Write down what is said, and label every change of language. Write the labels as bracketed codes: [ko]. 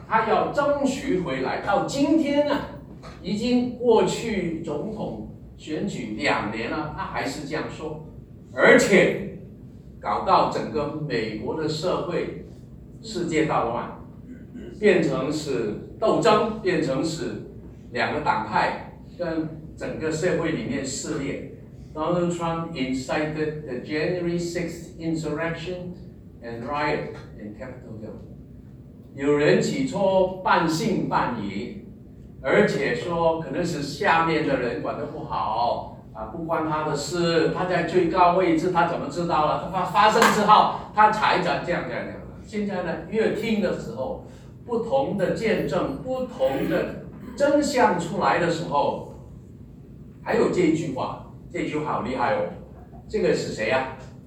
[zh] 他要争取回来。到今天呢，已经过去总统选举两年了，他还是这样说，而且搞到整个美国的社会世界大乱，变成是斗争，变成是两个党派跟整个社会里面撕裂。 [en] Donald Trump incited the January 6th insurrection and riot in Capitol Hill. [zh] 有人起初半信半疑，而且说可能是下面的人管得不好啊，不关他的事，他在最高位置他怎么知道了，他发生之后他才讲这样这样这样。现在呢，越听的时候，不同的见证，不同的真相出来的时候，还有这句话，这句话好厉害哦，这个是谁啊？